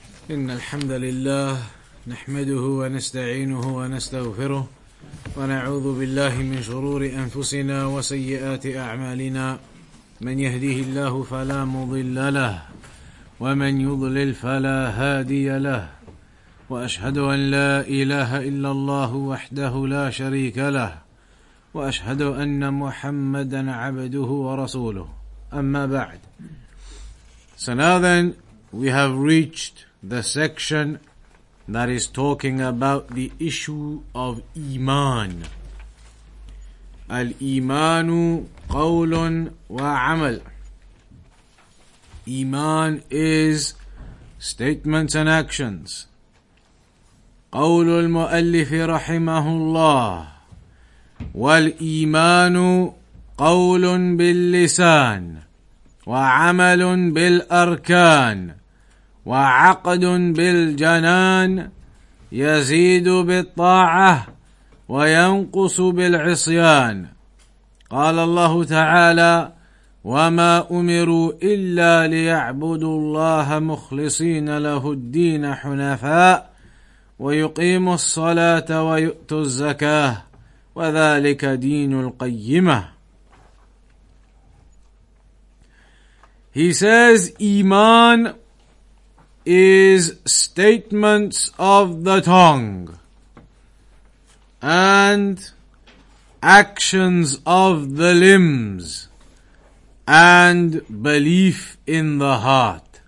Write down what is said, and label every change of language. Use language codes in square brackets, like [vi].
[ar] إن الحمد لله نحمده ونستعينه ونستغفره ونعوذ بالله من شرور أنفسنا وسيئات أعمالنا من يهديه الله فلا مضل له ومن يضلل فلا هادي له وأشهد أن لا إله إلا الله وحده لا شريك له وأشهد أن محمدا عبده ورسوله أما بعد. [en] So now then, we have reached the section that is talking about the issue of Iman. [ar] Al-Imanu qawlun wa amal. [en] Iman is statements and actions. [ar] Qawlul mu'allifi rahimahullah. Wal-Imanu qawlun bil-lisan. Wa amalun bil-arkan. وعقد بالجنان يزيد بالطاعة وينقص بالعصيان قال الله تعالى وما أمروا إلا ليعبدوا الله مخلصين له الدين حنفاء ويقيموا الصلاة ويؤتوا الزكاة وذلك دين القيمة. [en] He says Iman is statements of the tongue and actions of the limbs and belief in the heart.